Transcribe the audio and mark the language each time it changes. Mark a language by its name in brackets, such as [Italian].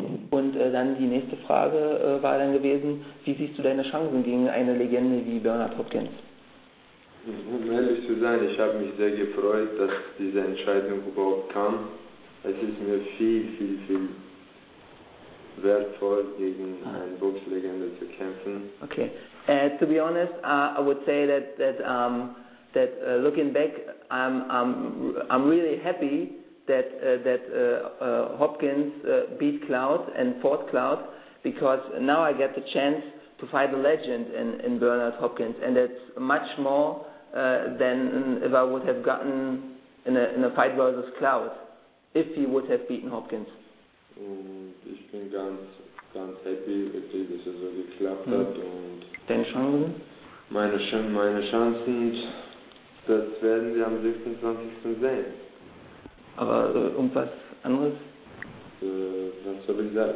[German] Und dann die nächste Frage war dann gewesen, wie siehst du deine Chancen gegen eine Legende wie Bernard Hopkins? Um ehrlich zu sein, ich habe mich sehr gefreut, dass diese Entscheidung überhaupt kam. Es ist mir viel wertvoll, gegen eine Boxlegende zu kämpfen. [English] Okay. To be honest, I would say that looking back, I'm really happy that Hopkins beat Cloud and fought Cloud, because now I get the chance to fight a legend in Bernard Hopkins, and that's much more than if I would have gotten in a fight versus Cloud, if he would have beaten Hopkins. [German] Ich bin ganz happy, wirklich, dass es so geklappt hat. Und deine Chancen? Meine Chancen, das werden wir am 26. sehen. Aber irgendwas anderes? Was soll ich sagen?